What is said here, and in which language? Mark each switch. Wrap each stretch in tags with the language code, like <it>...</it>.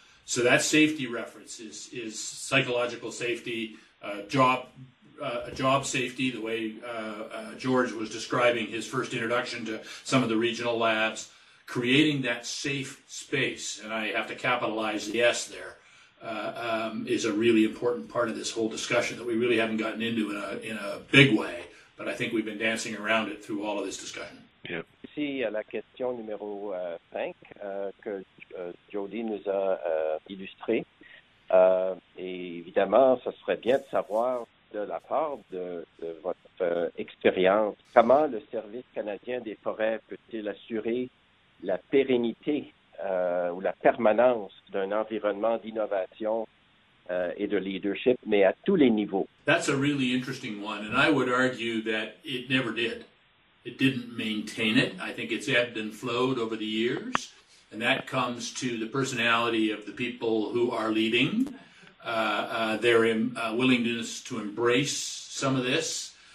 <en>So that safety reference is psychological safety, job safety, the way George was describing his first introduction to some of the regional labs, creating that safe space, and I have to capitalize the S there, is a really important part of this whole discussion that we really haven't gotten into in a big way, but I think we've been dancing around it through all of this discussion. Yeah.</en> <fr>Ici à la question numéro 5 que Jody nous a illustré, et évidemment, ce serait bien de savoir de la part de votre expérience comment le Service canadien des forêts peut-il assurer la pérennité ou la permanence d'un environnement d'innovation et de leadership, mais à tous les niveaux.</fr> <en>That's a really interesting one, and I would argue that it never did. It didn't maintain it. I think it's ebbed and flowed over the years, and that comes to the personality of the people who are leading, their willingness to embrace some of this.</en>